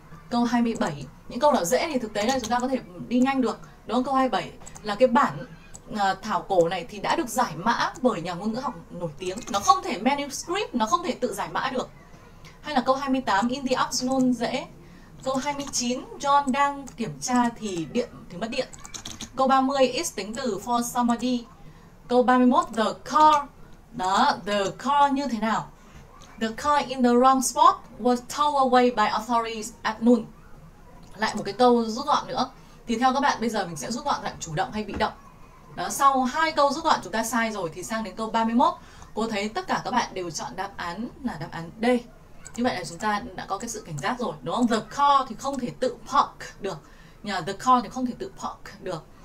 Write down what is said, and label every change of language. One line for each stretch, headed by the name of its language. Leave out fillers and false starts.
Vietnamese: Câu 27, những câu nào dễ thì thực tế là chúng ta có thể đi nhanh được, đúng không? Câu 27 là cái bản thảo cổ này thì đã được giải mã bởi nhà ngôn ngữ học nổi tiếng. Nó không thể manuscript, nó không thể tự giải mã được. Hay là câu 28, in the afternoon dễ. Câu 29, John đang kiểm tra thì điện thì mất điện. Câu 30, is tính từ for somebody. Câu 31, the car. Đó, the car như thế nào?
English: The car in the wrong spot was towed away by authorities at noon.
Vietnamese: Lại một cái câu rút gọn nữa. Thì theo các bạn bây giờ mình sẽ rút gọn dạng chủ động hay bị động. Đó, sau hai câu rút gọn chúng ta sai rồi thì sang đến câu 31. Cô thấy tất cả các bạn đều chọn đáp án là đáp án D. Như vậy là chúng ta đã có cái sự cảnh giác rồi, đúng không? The car thì không thể tự park được. Nhờ the car thì không thể tự park được.